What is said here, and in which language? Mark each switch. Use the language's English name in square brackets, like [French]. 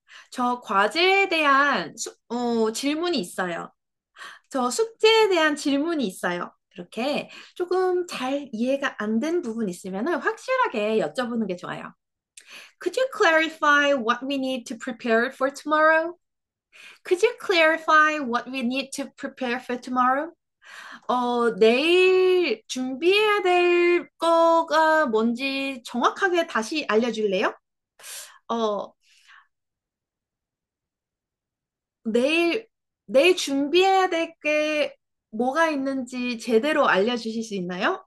[Korean] 저 과제에 대한 질문이 있어요. 저 숙제에 대한 질문이 있어요. 이렇게 조금 잘 이해가 안된 부분 있으면 확실하게 여쭤보는 게 좋아요. [English] Could you clarify what we need to prepare for tomorrow? Could you clarify what we need to prepare for tomorrow? [Korean] 내일 준비해야 될 거가 뭔지 정확하게 다시 알려줄래요? 내일 준비해야 될게 뭐가 있는지 제대로 알려주실 수 있나요?